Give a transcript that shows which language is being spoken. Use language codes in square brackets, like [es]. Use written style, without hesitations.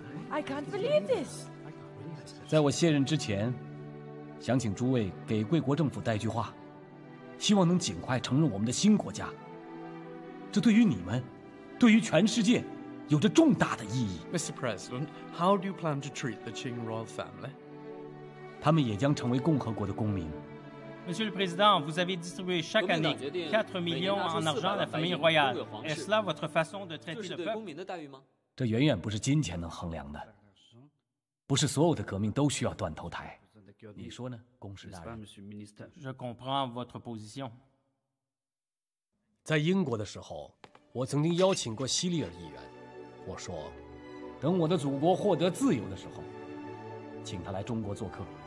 [en] I can't believe this. [zh] 在我卸任之前，想请诸位给贵国政府带句话，希望能尽快承认我们的新国家。这对于你们，对于全世界有着重大的意义。 [en] Mr. President, how do you plan to treat the Qing royal family? [zh] 他们也将成为共和国的公民。 [fr] Monsieur le Président, vous avez distribué chaque année 4 millions en argent à la famille royale. Est-ce là votre façon de traiter le peuple? [zh] 这远远不是金钱能衡量的。不是所有的革命都需要断头台。你说呢，公使大人？ [fr] Je comprends votre position. [zh] 在英国的时候，我曾经邀请过希利尔议员。我说，等我的祖国获得自由的时候，请他来中国做客。